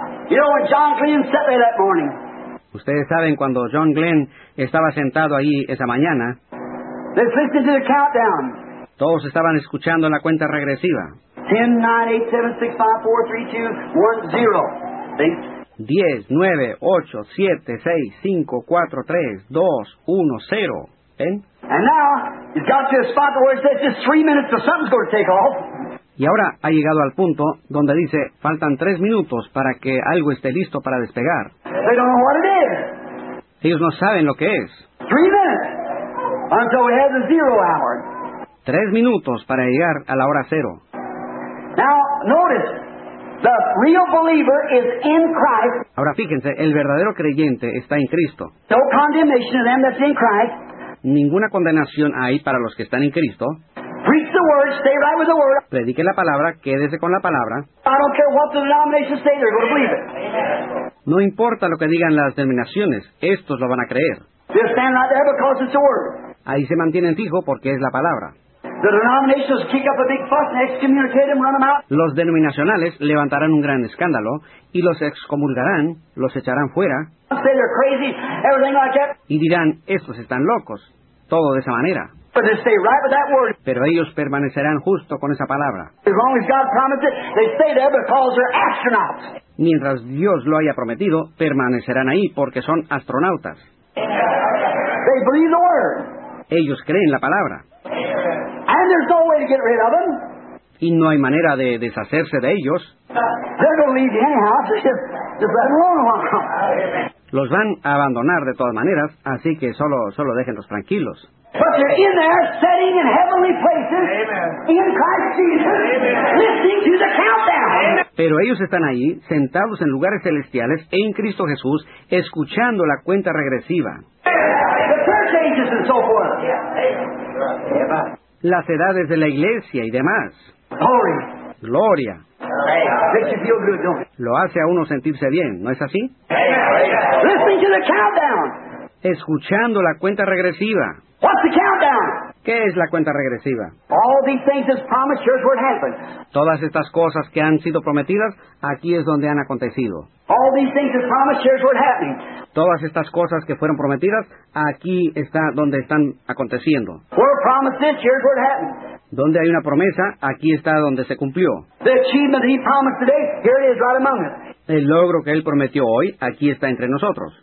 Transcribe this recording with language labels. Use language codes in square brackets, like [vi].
[en] You know, when John Glenn sat there that morning. [es] Ustedes saben cuando John Glenn estaba sentado allí esa mañana. [en] They listened to the countdown. [es] Todos estaban escuchando la cuenta regresiva. [en] 10, 9, 8, 7, 6, 5, 4, 3, 2, 1, 0. [es] ¿Ves? 10, 9, 8, 7, 6, 5, 4, 3, 2, 1, 0. ¿Ven? [en] And now, he's got to a spot where it says just 3 minutes or something's going to take off. [es] Y ahora ha llegado al punto donde dice, faltan 3 minutos para que algo esté listo para despegar. [en] They don't know what it is. [es] Ellos no saben lo que es. [en] 3 minutes until we have the zero hour. [es] 3 minutos para llegar a la hora cero. [en] Now, notice, the real believer is in Christ. [es] Ahora fíjense, el verdadero creyente está en Cristo. [en] No condemnation to them that's in Christ. [es] Ninguna condenación hay para los que están en Cristo. [en] Preach the word, stay right with the word. [es] Predique la palabra, quédese con la palabra. [en] I don't care what the denominations say, they're going to believe it. [es] No importa lo que digan las denominaciones, estos lo van a creer. [en] They'll stand right there because it's the word. [es] Ahí se mantienen fijo porque es la palabra. [en] The denominations kick up a big fuss and excommunicate them, run them out. [es] Los denominacionales levantarán un gran escándalo y los excomulgarán, los echarán fuera. [en] I'll say they're crazy, everything like that. [es] Y dirán, estos están locos, todo de esa manera. [en] But they stay right with that word. [es] Pero ellos permanecerán justo con esa palabra. [en] As long as God promised it, they stay there because they're astronauts. [es] Mientras Dios lo haya prometido, permanecerán ahí porque son astronautas. [en] They believe the word. [es] Ellos creen la palabra. [en] And there's no way to get rid of them. [es] Y no hay manera de deshacerse de ellos. [en] They're going to leave you anyhow, just let them alone. [es] Los van a abandonar de todas maneras, así que solo déjenlos tranquilos. [en] But they're in there, sitting in heavenly places, amen, in Christ Jesus, amen, listening to the countdown. [es] Pero ellos están ahí, sentados en lugares celestiales, en Cristo Jesús, escuchando la cuenta regresiva. [en] The church ages and so forth. [es] Las edades de la iglesia y demás. [en] Glory. [es] Gloria. [en] Makes you feel good, don't it? [es] Lo hace a uno sentirse bien, ¿no es así? [en] Listening to the countdown. [es] escuchando la cuenta regresiva. [en] What's the countdown? [es] ¿Qué es la cuenta regresiva? [en] All these things that's promised, here's where it happened. [es] Todas estas cosas que han sido prometidas, aquí es donde han acontecido. [en] All these things that's promised, here's where it happened. [es] Todas estas cosas que fueron prometidas, aquí está donde están aconteciendo. [en] Where promised this, here's where it happened. [es] Donde hay una promesa, aquí está donde se cumplió. [en] The achievement he promised today, here it is right among us. [es] El logro que él prometió hoy, aquí está entre nosotros.